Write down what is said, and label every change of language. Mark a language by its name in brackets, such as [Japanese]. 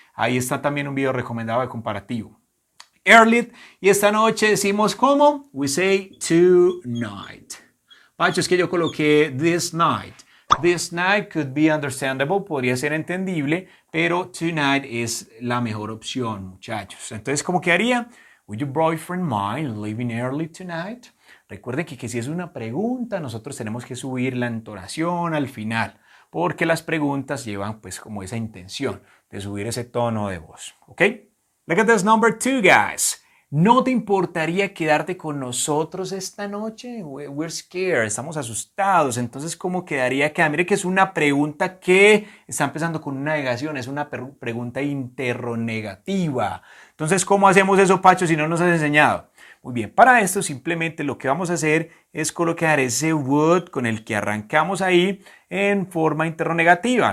[Spanish] Ahí está también un video recomendado de comparativo. Early, y esta noche decimos ¿cómo? [English] We say tonight. [Spanish] Pacho, es que yo coloqué this night. [English] This night could be understandable, [Spanish] podría ser entendible, pero tonight es la mejor opción, muchachos. Entonces, ¿cómo quedaría? [English] Would your boyfriend mind leaving early tonight? [Spanish] Recuerden que si es una pregunta, nosotros tenemos que subir la entonación al final. porque las preguntas llevan pues como esa intención de subir ese tono de voz, ¿ok? [English] Look at this number two, guys. [Spanish] ¿No te importaría quedarte con nosotros esta noche? [English] We're scared, [Spanish] estamos asustados. Entonces, ¿cómo quedaría quedar? Mire que es una pregunta que está empezando con una negación, es una pregunta interronegativa. Entonces, ¿cómo hacemos eso, Pacho, si no nos has enseñado? Muy bien, para esto simplemente lo que vamos a hacer es colocar ese would con el que arrancamos ahí en forma interronegativa.